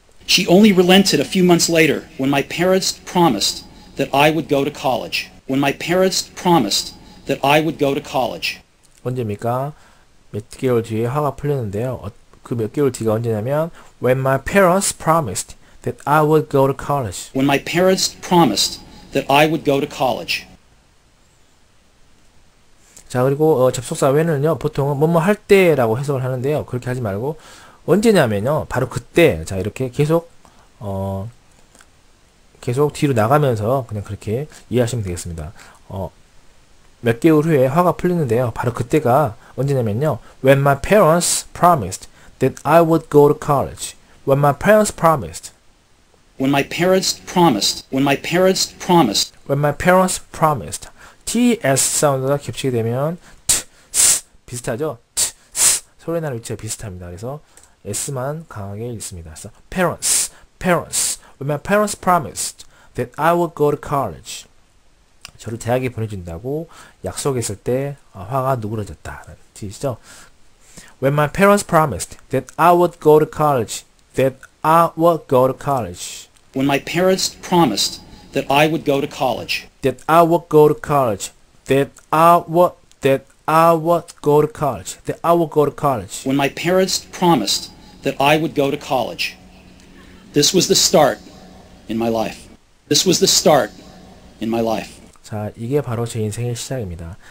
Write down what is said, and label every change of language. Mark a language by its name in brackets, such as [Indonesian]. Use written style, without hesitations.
[English] She only relented a few months later when my parents promised that I would go to college. When my parents promised that I would go to college. [Korean] 언제입니까? 몇 개월 뒤에 화가 풀렸는데요. 그 몇 개월 뒤가 언제냐면 [English] When my parents promised that I would go to college. When my parents promised that I would go to college. [Korean] 자, 그리고 접속사 when은요. 보통은 뭐뭐 할 때라고 해석을 하는데요. 그렇게 하지 말고 언제냐면요. 바로 그때. 자, 이렇게 계속 뒤로 나가면서 그냥 그렇게 이해하시면 되겠습니다. 몇 개월 후에 화가 풀리는데요. 바로 그때가 언제냐면요. [English] When my parents promised that I would go to college. When my parents promised. When my parents promised. When my parents promised. When my parents promised. [Korean] TS 사운드가 겹치게 되면 T, S 비슷하죠? T, S 소리 나는 위치가 비슷합니다. 그래서 S만 강하게 읽습니다. [English] So, parents. Parents. When my parents promised that I would go to college. [Korean] 저를 대학에 보내준다고 약속했을 때 화가 누그러졌다. 뜻이죠? [English] When my parents promised that I would go to college, that I would go to college. When my parents promised that I would go to college, that I would go to college, that I would go to college. When my parents promised that I would go to college, this was the start in my life. This was the start in my life. [Korean] 자, 이게 바로 제 인생의 시작입니다.